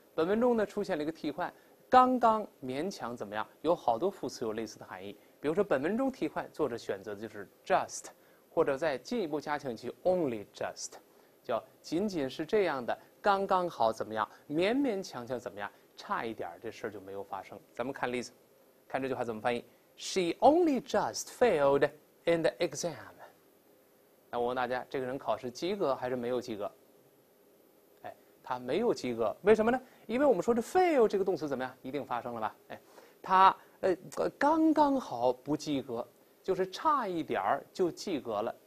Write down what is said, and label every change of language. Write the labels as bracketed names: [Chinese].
[Chinese] 本文中呢出现了一个替换，刚刚勉强怎么样，有好多副词有类似的含义。比如说本文中替换，作者选择的就是 just， 或者再进一步加强去 only just， 叫仅仅是这样的，刚刚好怎么样，勉勉强强怎么样，差一点这事就没有发生。咱们看例子，看这句话怎么翻译 ？ [English] She only just failed in the exam。 [Chinese] 那我问大家，这个人考试及格还是没有及格？哎，他没有及格，为什么呢？因为我们说这 fail 这个动词怎么样，一定发生了吧？哎，他刚刚好不及格，就是差一点就及格了。